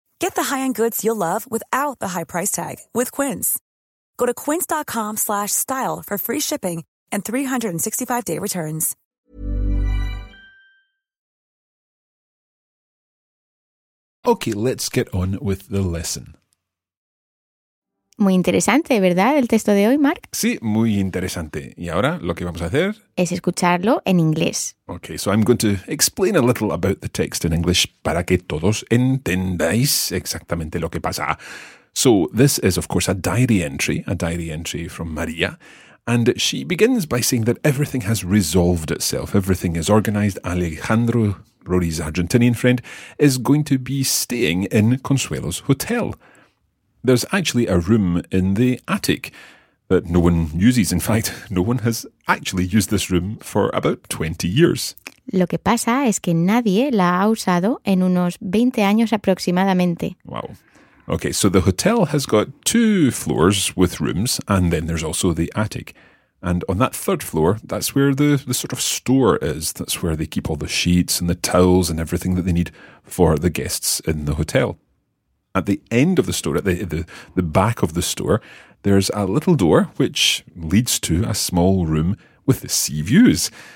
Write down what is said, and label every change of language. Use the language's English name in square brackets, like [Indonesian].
[English] Get the high-end goods you'll love without the high price tag with Quince. Go to quince.com/style for free shipping and 365-day returns. Okay, let's get on with the lesson. [Spanish] Muy interesante, ¿verdad? El texto de hoy, Mark. Sí, muy interesante. Y ahora lo que vamos a hacer es escucharlo en inglés. [English] Okay, so I'm going to explain a little about the text in English [Spanish] para que todos entendáis exactamente lo que pasa. [English] So this is, of course, a diary entry from María. And she begins by saying that everything has resolved itself. Everything is organized. Alejandro, Rory's Argentinian friend, is going to be staying in Consuelo's hotel. There's actually a room in the attic that no one uses. In fact, no one has actually used this room for about 20 years. [Spanish] Lo que pasa es que nadie la ha usado en unos 20 años aproximadamente. [English] Wow. Okay, so the hotel has got two floors with rooms, and then there's also the attic. And on that third floor, that's where the sort of store is. That's where they keep all the sheets and the towels and everything that they need for the guests in the hotel. At the end of the store, at the back of the store, there's a little door which leads to a small room with the sea views.